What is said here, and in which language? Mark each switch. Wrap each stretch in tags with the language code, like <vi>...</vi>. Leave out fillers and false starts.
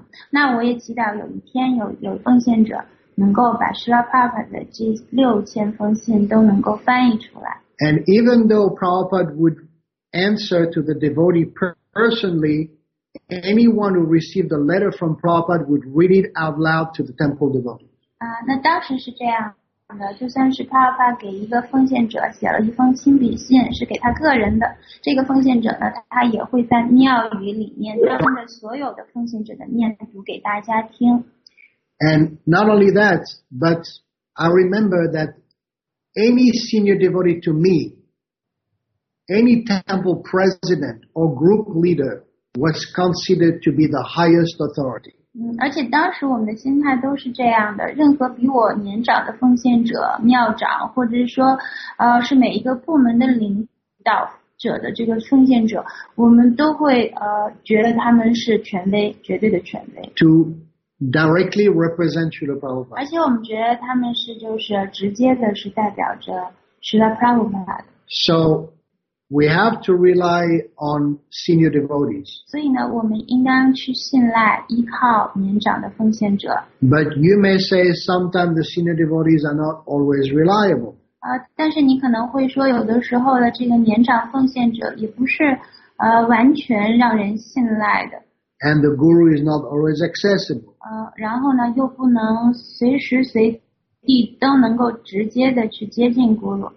<zh>那我也期待有一天有奉献者能够把 Srila Prabhupada 的这6000封信都能够翻译出来。</zh> <en>And even though Prabhupada would answer to the devotee personally, anyone who received a letter from Prabhupada would read it out loud to the temple devotee.</en> <zh>那当时是这样。就算是帕帕给一个奉献者写了一封亲笔信，是给他个人的，这个奉献者呢，他也会在庙宇里面当着所有的奉献者的面读给大家听。</zh> <en>And not only that, but I remember that any senior devotee to me, any temple president or group leader was considered to be the highest authority.</en> <zh>而且当时我们的心态都是这样的，任何比我年长的奉献者、庙长，或者是说，是每一个部门的领导者的这个奉献者，我们都会觉得他们是权威，绝对的权威。</zh> <en>To directly represent Srila Prabhupada.</en> <zh>而且我们觉得他们是就是直接的是代表着 Srila Prabhupada 的。</zh> <en>So. We have to rely on senior devotees.</en> <zh>所以呢，我们应当去信赖、依靠年长的奉献者。</zh> <en>But you may say sometimes the senior devotees are not always reliable.</en> <zh>但是你可能会说，有的时候的这个年长奉献者也不是完全让人信赖的。</zh> <en>And the guru is not always accessible.</en> <zh>然后呢，又不能随时随。都能够直接的去接近 Guru.</zh>